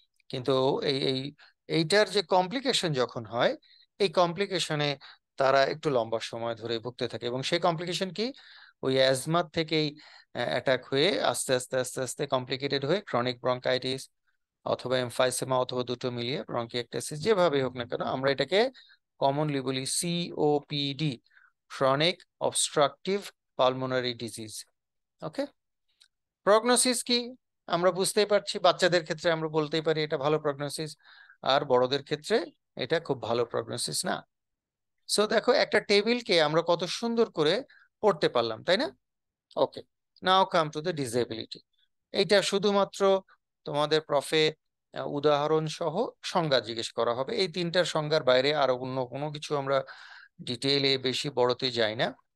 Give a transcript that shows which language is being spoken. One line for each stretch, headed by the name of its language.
Bangla: কিন্তু এই এই এইটার যে কমপ্লিকেশন যখন হয়, এই কমপ্লিকেশনে তারা একটু লম্বা সময় ধরে ভুগতে থাকে, এবং সেই কমপ্লিকেশন কি, ওই অ্যাজমা থেকেই অ্যাটাক হয়ে আস্তে আস্তে আস্তে আস্তে কমপ্লিকেটেড হয়ে ক্রনিক ব্রঙ্কাইটিস অথবা এমফাইসেমা অথবা দুটো মিলিয়ে ব্রঙ্কিয়েকটাসিস, যেভাবেই হোক না কেন আমরা এটাকে কমনলি বলি COPD,
English: chronic obstructive pulmonary disease.
Bangla: ওকে, প্রগনোসিস কি আমরা বুঝতেই পারছি, বাচ্চাদের ক্ষেত্রে আমরা বলতেই পারি এটা ভালো প্রগনোসিস, আর বড়দের ক্ষেত্রে এটা খুব ভালো প্রগনোসিস না? সো দেখো একটা টেবিলকে আমরা কত সুন্দর করে পড়তে পারলাম, তাই না? ওকে,
English: Now come to the disability.
Bangla: এইটা শুধুমাত্র তোমাদের প্রফে উদাহরণ সহ সংজ্ঞা জিজ্ঞেস করা হবে, এই তিনটার সংজ্ঞার বাইরে আর অন্য কোনো কিছু আমরা ডিটেইলে বেশি বড়তে যাই না।